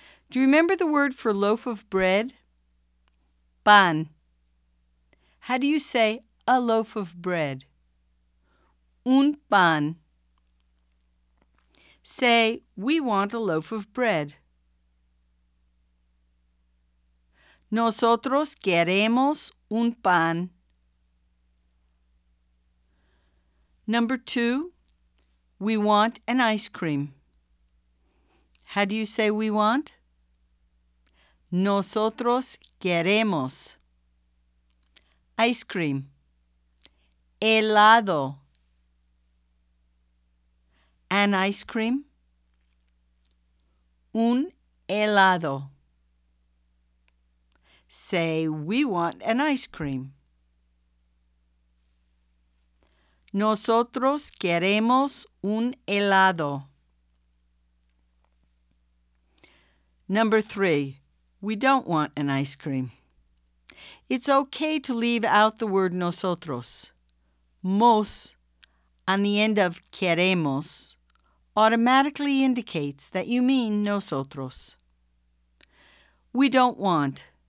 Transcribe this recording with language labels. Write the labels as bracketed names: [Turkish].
[English] Do you remember the word for loaf of bread? Pan. How do you say a loaf of bread? [Spanish] Un pan. [English] Say, we want a loaf of bread. [Spanish] Nosotros queremos un pan. [English] Number 2, we want an ice cream. How do you say we want? [Spanish] Nosotros queremos [English] ice cream. Helado. An ice cream. [Spanish] Un helado. [English] Say, we want an ice cream. [Spanish] Nosotros queremos un helado. [English] Number 3. We don't want an ice cream. It's okay to leave out the word nosotros. Mos, on the end of queremos, automatically indicates that you mean nosotros. We don't want.